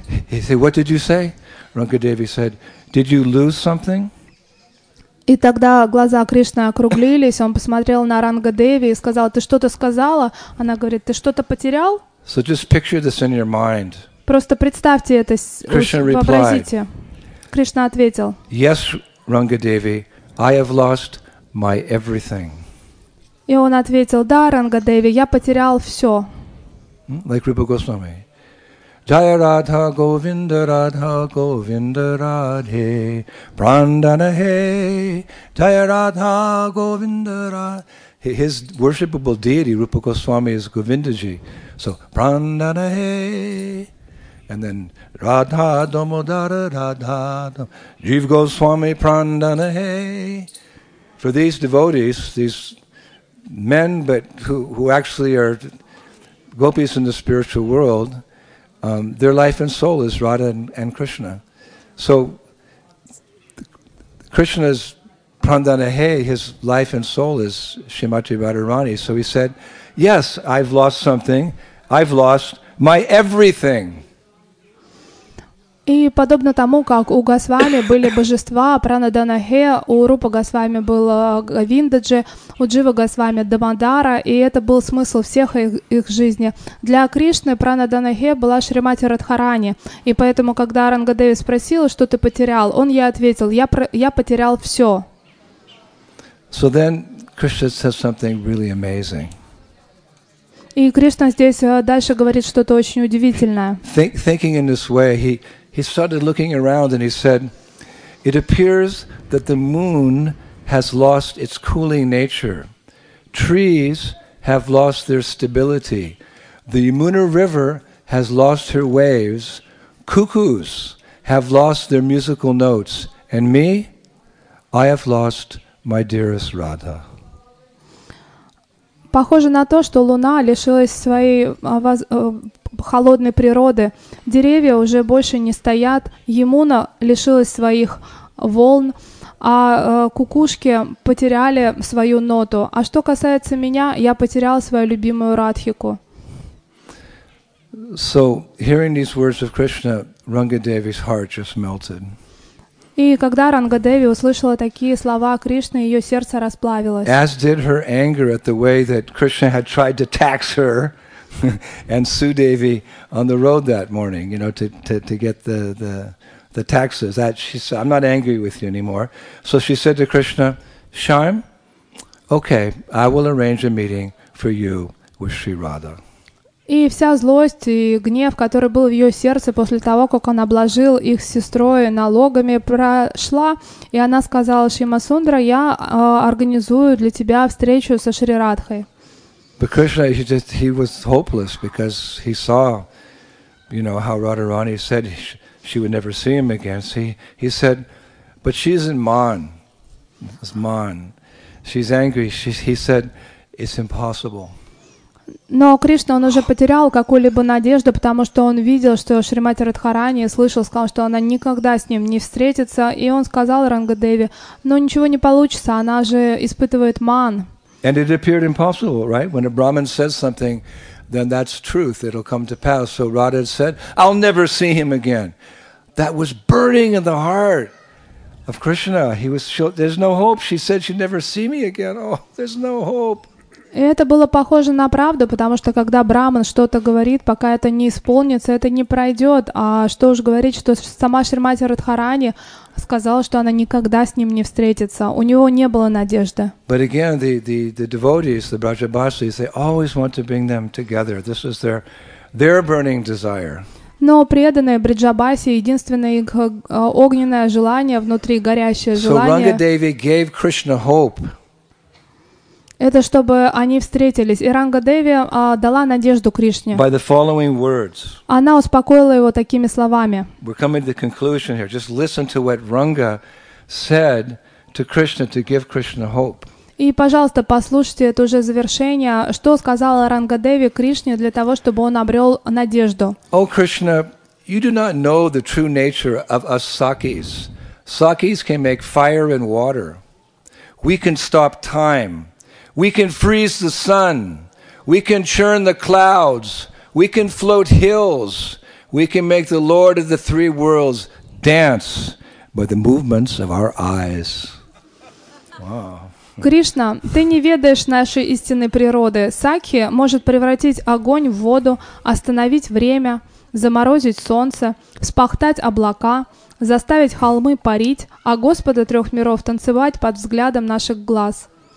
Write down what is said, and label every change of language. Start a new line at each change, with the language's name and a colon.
English: He said, "What did you say?" Ranga Devi said, "Did you lose something?"
Russian: И тогда глаза Кришны округлились. Он посмотрел на Ранга Деви и сказал: "Ты что-то сказала?" Она говорит: "Ты что-то потерял?"
English: So just picture this in your mind.
Russian: Просто представьте это.
English: Krishna replied.
Russian: Кришна ответил:
English: "Yes, Ranga Devi. I have lost my everything."
Russian: И он ответил: "Да, Ранга Деви, я потерял все."
English: Like Rupa Goswami. Jaya Radha Govinda Radha Govinda Radhe Prandana Hey Jaya Radha Govinda Radhe. His worshipable deity, Rupa Goswami, is Govindaji. So Prandana Hey. And then Radha Domodara Radha Jeev Goswami Prandana Hey. For these devotees, these men but who actually are gopis in the spiritual world, their life and soul is Radha and Krishna. So Krishna's Prandana Hey, his life and soul is Srimati Radharani. So he said, "Yes, I've lost something. I've lost my everything."
Russian: И подобно тому, как у Госвами были божества, Пранадана Хе, у Рупа Госвами был Виндаджи, у Джива Госвами Дамодара, и это был смысл всех их жизни. Для Кришны Пранадана Хе была Шримати Радхарани, и поэтому, когда Ранга Деви спросил, что ты потерял, он ей ответил: я потерял все.
English: So then Krishna says something really amazing.
Russian: И Кришна здесь дальше говорит что-то очень удивительное.
English: Thinking in this way, he started looking around and he said, "It appears that the moon has lost its cooling nature. Trees have lost their stability. The Yamuna River has lost her waves. Cuckoos have lost their musical notes. And me, I have lost my dearest Radha."
Russian: Похоже на то, что луна лишилась своей холодной природы. Деревья уже больше не стоят, Ямуна лишилась своих волн, а кукушки потеряли свою ноту. А что касается меня, я потерял свою любимую Радхику.
English: So, hearing these words of Krishna, Ранга Деви's heart just melted.
Russian: И когда Ранга Деви услышала такие слова Кришны, ее сердце расплавилось.
English: As did her anger at the way that Krishna had tried to tax her and Sudevi on the road that morning, you know, to get the taxes. That she said, I'm not angry with you anymore. So she said to Krishna, Sharm, okay, I will arrange a meeting for you with Sri Radha.
Russian: И вся злость и гнев, который был в ее сердце после того, как он обложил их с сестрой налогами, прошла, и она сказала Шрима Сундра, я организую для тебя встречу со Шри Радхой.
English: But Krishna, he was hopeless because he saw, you know, how Radharani said she would never see him again. So he said, but she's in Mon. It's Mon. She's angry. He said, it's impossible.
Russian: Но Кришна, он уже потерял какую-либо надежду, потому что он видел, что Шримати Радхарани слышал, сказал, что она никогда с ним не встретится, и он сказал Ранга Деви, но ничего не получится, она же испытывает ман.
English: And it appeared impossible, right? When a Brahmin says something, then that's truth, it'll come to pass. So Radha said, I'll never see him again. That was burning in the heart of Krishna. He was, there's no hope. She said she'd never see me again. Oh, there's no hope.
Russian: И это было похоже на правду, потому что когда Брахман что-то говорит, пока это не исполнится, это не пройдет. А что уж говорить, что сама Шримати Радхарани сказала, что она никогда с ним не встретится. У него не было надежды.
English: But again, the devotees, the Brajabasis, they always want to bring them together. This is their burning desire.
Russian: Но преданные Бриджабаси, единственное их огненное желание внутри, горящее желание.
English: So Ranga Devi gave Krishna hope.
Russian: Это чтобы они встретились. И Ранга Деви дала надежду Кришне.
English: By the following words.
Russian: Она успокоила его такими словами.
English: We're coming to the conclusion here. Just listen to what Ranga said to Krishna to give Krishna hope.
Russian: И, пожалуйста, послушайте это уже завершение, что сказала Ранга Деви Кришне для того, чтобы он обрел надежду.
English: О, Кришна, you do not know the true nature of us Sakis. Sakis can make fire and water. We can stop time. We can freeze the sun, we can churn the clouds, we can float hills, we can make the Lord of the three worlds dance by the movements of our eyes. Wow.
Russian: Кришна, ты не ведаешь нашей истинной природы. Сакхи может превратить огонь в воду, остановить время, заморозить солнце, вспахтать облака, заставить холмы парить, а Господа трех миров танцевать под взглядом наших глаз.